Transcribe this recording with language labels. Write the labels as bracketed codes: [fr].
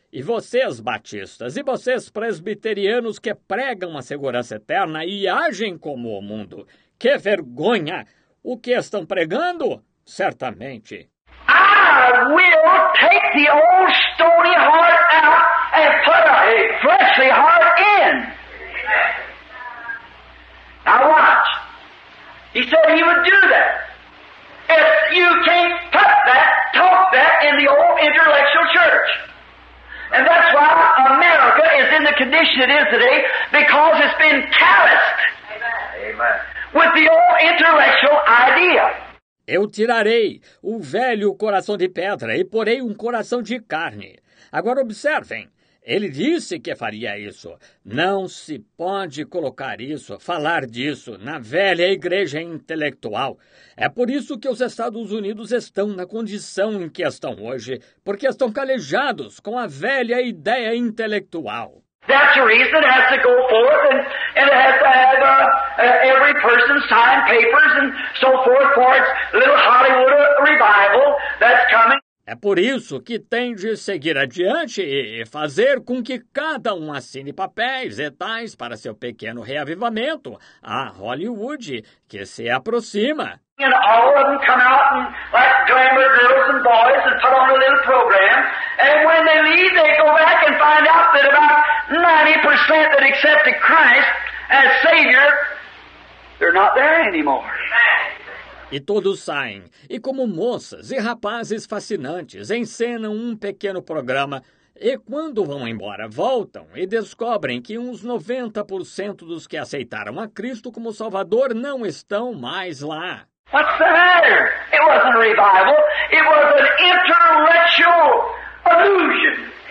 [pt] E vocês, batistas, e vocês, presbiterianos, que pregam a segurança eterna e agem como o mundo. Que vergonha! O que estão pregando? Certamente. [en] I will take the old stony heart out and put a fleshly heart in. Now watch. He said he would do that. If you can't cut that, talk that in the old intellectual church. And that's why America is in the condition it is today, because it's been calloused. Amen. With the old intellectual idea. [pt] Eu tirarei o velho coração de pedra e porei um coração de carne. Agora observem. Ele disse que faria isso. Não se pode colocar isso, falar disso, na velha igreja intelectual. É por isso que os Estados Unidos estão na condição em que estão hoje, porque estão calejados com a velha ideia intelectual. [en] That's the reason it has to go forth and it has to have every person sign papers and so forth for its little Hollywood revival that's coming. [pt] É por isso que tem de seguir adiante e fazer com que cada um assine papéis e tais para seu pequeno reavivamento, a Hollywood, que se aproxima. [en] And all of them come out and like glamour girls and boys and put on a little program. And when they leave, they go back and find out that about 90% that accepted Christ as Savior, they're not there anymore. [pt] E todos saem, e como moças e rapazes fascinantes, encenam um pequeno programa. E quando vão embora, voltam e descobrem que uns 90% dos que aceitaram a Cristo como Salvador não estão mais lá. [en] What's the matter? It wasn't a revival. It was an intellectual illusion.